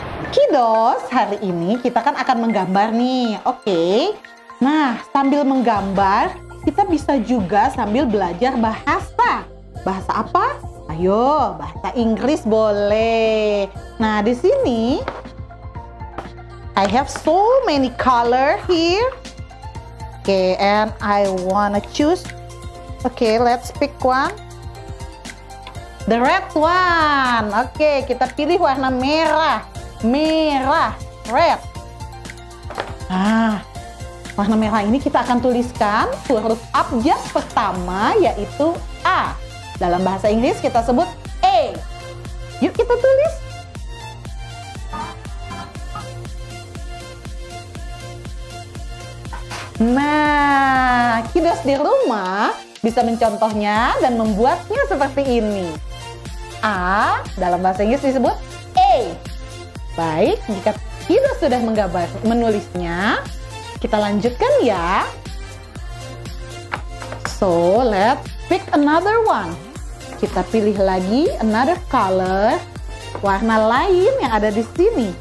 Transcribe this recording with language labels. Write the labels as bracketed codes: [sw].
[id] Kiddos, hari ini kita kan akan menggambar nih, oke? Nah, sambil menggambar, kita bisa juga sambil belajar bahasa. Bahasa apa? Ayo, bahasa Inggris boleh. Nah, di sini [en] I have so many color here. Okay, and I wanna choose. Okay, let's pick one. The red one. [id] Okay, kita pilih warna merah. Merah, red. Ah. Warna merah ini kita akan tuliskan huruf abjad pertama yaitu A. Dalam bahasa Inggris kita sebut A. Yuk kita tulis. Nah, Kiddos di rumah bisa mencontohnya dan membuatnya seperti ini. A dalam bahasa Inggris disebut A. Baik, jika Kiddos sudah menggambar menulisnya, kita lanjutkan ya. [en] So, let's pick another one. [id] Kita pilih lagi [en] another color. [id] Warna lain yang ada di sini.